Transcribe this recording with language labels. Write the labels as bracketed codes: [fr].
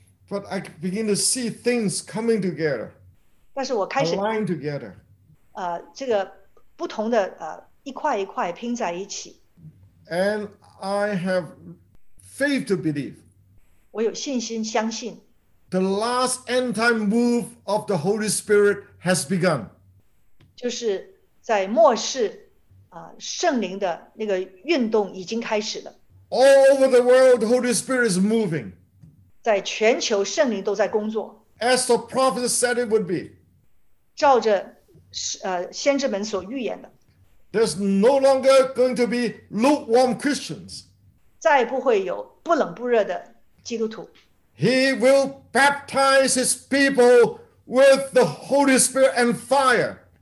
[en] But I begin to see things coming together. [zh] 但是我开始, [en] aligned together. [zh] 这个不同的, 一块一块拼在一起。 [en] And I have faith to believe. [zh] 我有信心相信。 [en] The last end time move of the Holy Spirit has begun. [zh] 就是在末世, 圣灵的那个运动已经开始了。 [en] All over the world, the Holy Spirit is moving. [zh] 在全球圣灵都在工作。 [en] As the prophet said it would be. [zh] 照着, 先知们所预言的。 [en] There's no longer going to be lukewarm Christians. [zh] 再不会有不冷不热的基督徒。 [en] He will baptize his people with the Holy Spirit and fire.